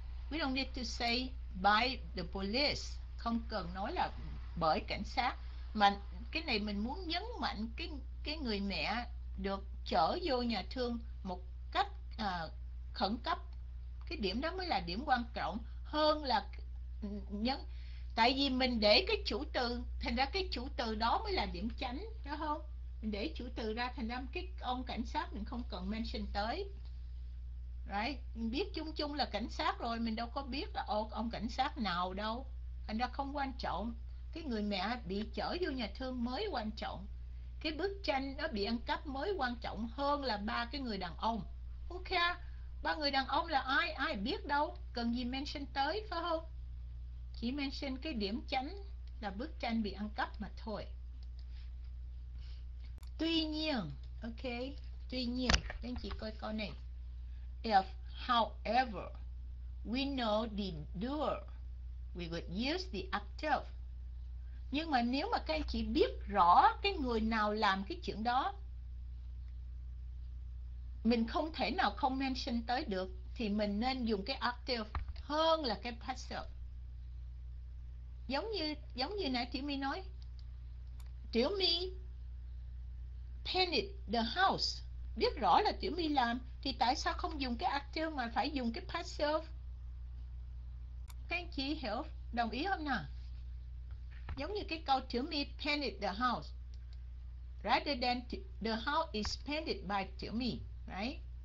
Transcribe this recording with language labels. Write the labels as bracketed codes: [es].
[en] We don't need to say by the police. [vi] Không cần nói là bởi cảnh sát. Mà cái này mình muốn nhấn mạnh cái người mẹ được chở vô nhà thương một cách khẩn cấp. Cái điểm đó mới là điểm quan trọng hơn là nhấn. Tại vì mình để cái chủ từ, thành ra cái chủ từ đó mới là điểm chính, đúng không? Để chủ từ ra thành âm, cái ông cảnh sát mình không cần mention tới. Right? Mình biết chung chung là cảnh sát rồi, mình đâu có biết là ông cảnh sát nào đâu. Thành ra không quan trọng. Cái người mẹ bị chở vô nhà thương mới quan trọng. Cái bức tranh nó bị ăn cắp mới quan trọng hơn là ba cái người đàn ông. Ok, ba người đàn ông là ai? Ai biết đâu, cần gì mention tới, phải không? Chỉ mention cái điểm chính là bức tranh bị ăn cắp mà thôi. Tuy nhiên, ok, tuy nhiên, anh chị coi câu này. [en] If, however, we know the doer, we would use the active. [vi] Nhưng mà nếu mà các anh chị biết rõ cái người nào làm cái chuyện đó, mình không thể nào không mention tới được, thì mình nên dùng cái active hơn là cái passive. Giống như nãy chị mới nói, [en] Tiểu My painted the house. [vi] Biết rõ là Tiểu My làm thì tại sao không dùng cái active mà phải dùng cái passive? Các anh chị hiểu đồng ý không nào? Giống như cái câu [en] Tiểu My painted the house rather than the house is painted by Tiểu My, right?